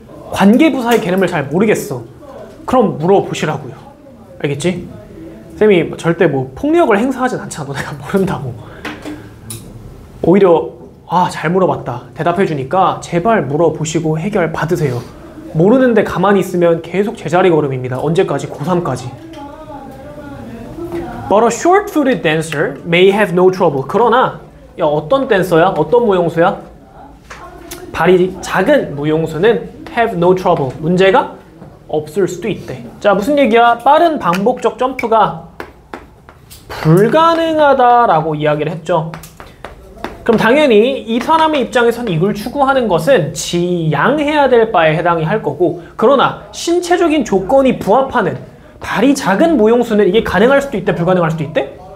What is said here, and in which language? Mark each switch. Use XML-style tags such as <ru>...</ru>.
<ko>관계 부사의 개념을 잘 모르겠어. 그럼 물어보시라고요. 알겠지? 쌤이 절대 뭐 폭력을 행사하진 않잖아. 내가 모른다고. 오히려 아, 잘 물어봤다. 대답해주니까 제발 물어보시고 해결 받으세요. 모르는데 가만히 있으면 계속 제자리 걸음입니다. 언제까지? 고3까지.</ko> <en>But a short-footed dancer may have no trouble.</en> <ko>그러나 야, 어떤 댄서야? 어떤 무용수야? 발이 작은 무용수는</ko> <en>have no trouble.</en> <ko>문제가 없을 수도 있대. 자, 무슨 얘기야? 빠른 반복적 점프가 불가능하다라고 이야기를 했죠. 그럼 당연히 이 사람의 입장에선 이걸 추구하는 것은 지양해야 될 바에 해당이 할 거고, 그러나 신체적인 조건이 부합하는 발이 작은 무용수는 이게 가능할 수도 있대, 불가능할 수도 있대?</ko>